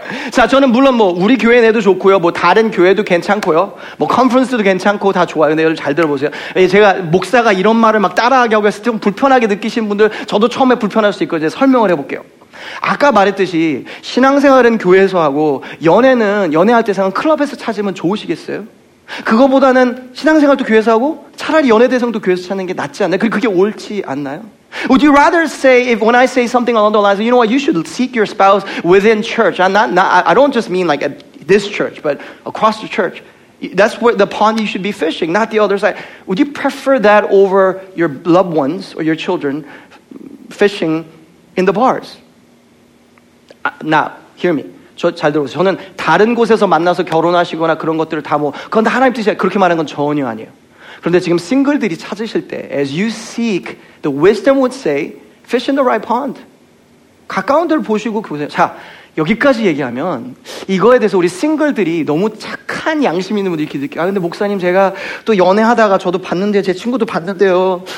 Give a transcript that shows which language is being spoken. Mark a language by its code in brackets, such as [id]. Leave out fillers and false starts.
[ko] 자 저는 물론 뭐 우리 교회 내도 좋고요 뭐 다른 교회도 괜찮고요 뭐 컨퍼런스도 괜찮고 다 좋아요 근데 여러분 잘 들어보세요 제가 목사가 이런 말을 막 따라하게 하고 해서 좀 불편하게 느끼신 분들 저도 처음에 불편할 수 있거든요 설명을 해볼게요 아까 말했듯이 신앙생활은 교회에서 하고 연애는 연애할 대상은 클럽에서 찾으면 좋으시겠어요? 그거보다는 신앙생활도 교회에서 하고 차라리 연애 대상도 교회에서 찾는 게 낫지 않나요? 그리고 그게 옳지 않나요? [en] Would you rather say if when I say something along the lines, you know what, you should seek your spouse within church. I don't just mean like at this church, but across the church. That's where the pond you should be fishing, not the other side. Would you prefer that over your loved ones or your children fishing in the bars? Now, hear me. [ko] 저 잘 들어보세요. 저는 다른 곳에서 만나서 결혼하시거나 그런 것들을 다 뭐, 그건 다 하나님 뜻이야. 그렇게 말하는 건 전혀 아니에요. 그런데 지금 싱글들이 찾으실 때, [en] as you seek, the wisdom would say, fish in the right pond. [ko] 가까운 데를 보시고 보세요. 자, 여기까지 얘기하면, 이거에 대해서 우리 싱글들이 너무 착한 양심 있는 분들이 이렇게 느껴요. 아, 근데 목사님, 제가 또 연애하다가, 저도 봤는데, 제 친구도 봤는데요.